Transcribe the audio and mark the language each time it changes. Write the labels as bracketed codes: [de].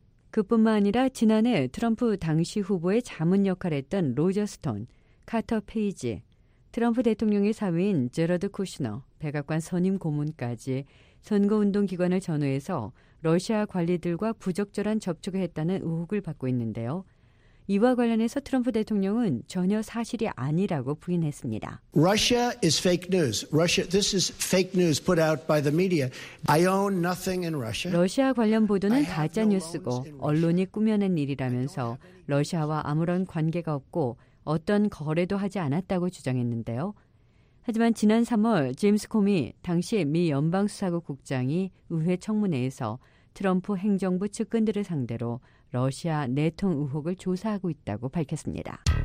[ko] 그뿐만 아니라 지난해 트럼프 당시 후보의 자문 역할을 했던 로저 스톤, 카터 페이지, 트럼프 대통령의 사위인 제러드 쿠슈너, 백악관 선임 고문까지 선거운동 기관을 전후해서 러시아 관리들과 부적절한 접촉을 했다는 의혹을 받고 있는데요. 이와 관련해서 트럼프 대통령은 전혀 사실이 아니라고 부인했습니다. [en] Russia is fake news. Russia, this is fake news put out by the media. I own nothing in Russia. [ko] 러시아 관련 보도는 가짜 뉴스고 언론이 꾸며낸 일이라면서 러시아와 아무런 관계가 없고 어떤 거래도 하지 않았다고 주장했는데요. 하지만 지난 3월 제임스 코미 당시 미 연방수사국 국장이 의회 청문회에서 트럼프 행정부 측근들을 상대로 러시아 내통 의혹을 조사하고 있다고 밝혔습니다.